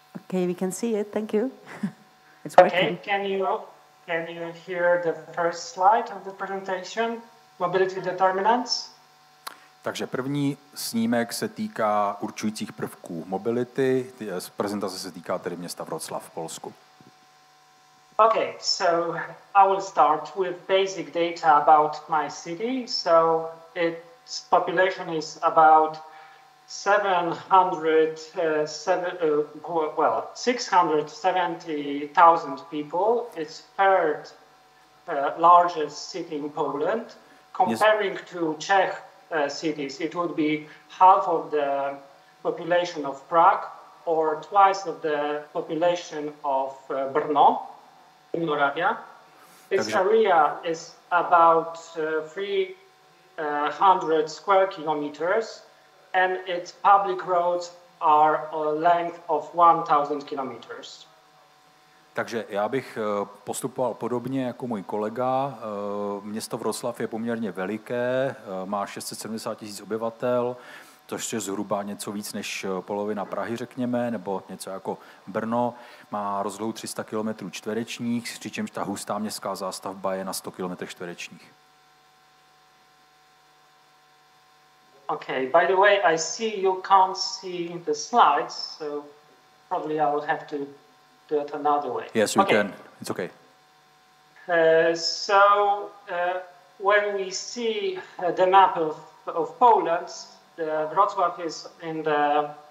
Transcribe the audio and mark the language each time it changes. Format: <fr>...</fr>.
<en>Okay, we can see it. Thank you. It's working. Okay, can you hear the first slide of the presentation? Mobility determinants.</en> <cs>Takže první snímek se týká určujících prvků mobility. Prezentace se týká tedy města Wroclaw v Polsku.</cs> <en>Okay, so I will start with basic data about my city. So its population is about 670,000 people. It's third largest city in Poland. Comparing to Czech cities, it would be half of the population of Prague or twice of the population of Brno in Moravia. Its area is about 300 square kilometers, and its public roads are a length of 1,000 kilometers.</en> <cs>Takže já bych postupoval podobně jako můj kolega. Město Wroclaw je poměrně veliké, má 670 tisíc obyvatel, což je zhruba něco víc než polovina Prahy, řekněme, nebo něco jako Brno. Má rozlohu 300 kilometrů čtverečních, přičemž ta hustá městská zástavba je na 100 kilometrech čtverečních.</cs> <en>Okay, by the way, I see you can't see the slides, so probably I will have to do it another way. Yes, we can. It's okay. So when we see the map of Poland, Wrocław is in the</en>